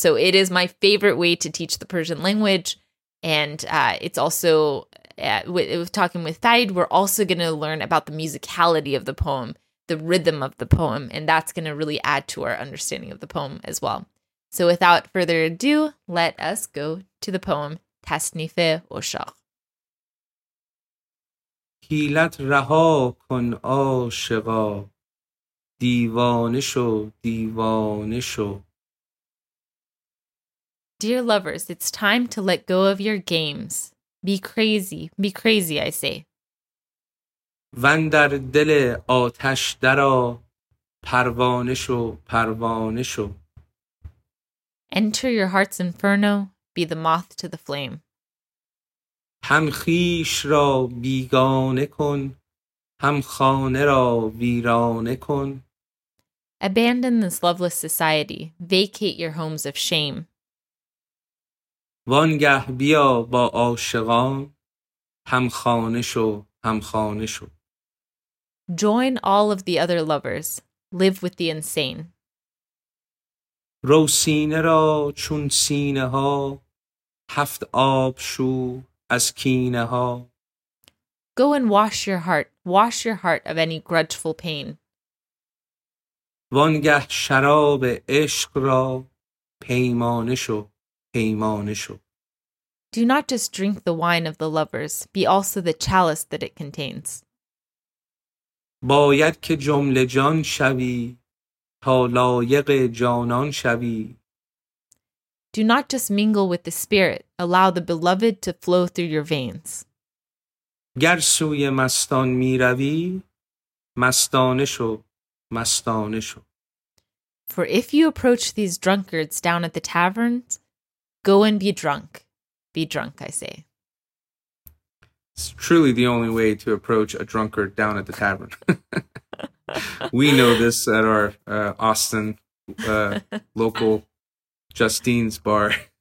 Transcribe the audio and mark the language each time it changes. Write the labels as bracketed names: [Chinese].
[English] So it is my favorite way to teach the Persian language. And it's also, with talking with Thaid, we're also going to learn about the musicality of the poem, the rhythm of the poem, and that's going to really add to our understanding of the poem as well. So without further ado, let us go to the poem, Tasnife Oshar. [Persian] حیلت رها کن عاشقا دیوانه شو دیوانه شو [English] Dear lovers, it's time to let go of your games. Be crazy, I say. [Persian] وندر دل آتش درا پروانش و پروانش و. [English] Enter your heart's inferno, be the moth to the flame. [Persian] هم خیش را بیگانه کن, هم خانه را ویرانه کن. [English] Abandon this loveless society, vacate your homes of shame. [Persian] وانگه بیا با عاشقان, هم خانه شو, هم خانه شو. [English] Join all of the other lovers, live with the insane. [Persian] رو سینه را چون سینه ها, هفت آب شو از کینه ها. [English] Go and wash your heart of any grudgeful pain. [Persian] وانگه شراب عشق را پیمانه شو, پیمانه شو. [English] Do not just drink the wine of the lovers, be also the chalice that it contains. [Persian] باید که جمله جان شوی تا لایق جانان شوی. [English] Do not just mingle with the spirit, allow the beloved to flow through your veins. [Persian] گر سوی مستان می روی, مستانه شو, مستانه شو. [English] For if you approach these drunkards down at the taverns, go and be drunk. Be drunk, I say. It's truly the only way to approach a drunkard down at the tavern. We know this at our Austin local Justine's bar.